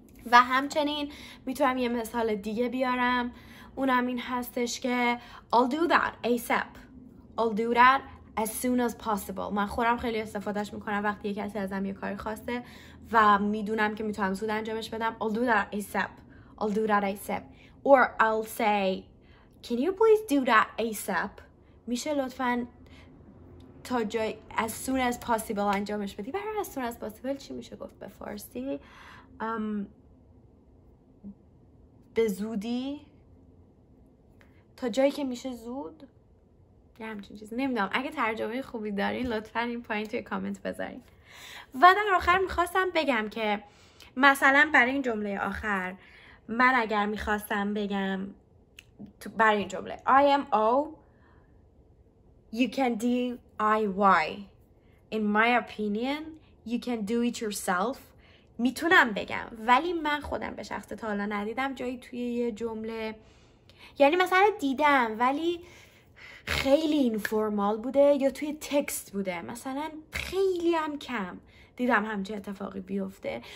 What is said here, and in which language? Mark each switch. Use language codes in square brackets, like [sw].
[fa] و همچنین میتونم یه مثال دیگه بیارم. اونم این هستش که [en] I'll do that ASAP. I'll do that as soon as possible. [fa] من خودم خیلی استفادهش میکنم وقتی یه کسی ازم یه کاری خواسته و میدونم که میتونم زود انجامش بدم. [en] I'll do that ASAP. I'll do that ASAP. Or I'll say, can you please do that ASAP? [fa] میشه لطفاً تا جای [en] as soon as possible [fa] انجامش بدی. برای [en] as soon as possible [fa] چی میشه گفت به فارسی؟ به زودی، تا جایی که میشه زود، یه همچین چیز نمیدونم. اگه ترجمه خوبی دارین لطفاً این پایین توی کامنت بذارین. و در آخر میخواستم بگم که مثلا برای این جمله آخر، من اگر میخواستم بگم برای این جمله [en] IMO you can DIY. In my opinion you can do it yourself. [fa] میتونم بگم، ولی من خودم به شخصه تا حالا ندیدم جایی توی یه جمله، یعنی مثلا دیدم ولی خیلی اینفورمال بوده یا توی تکست بوده، مثلا خیلی هم کم دیدم همچه اتفاقی بیفته.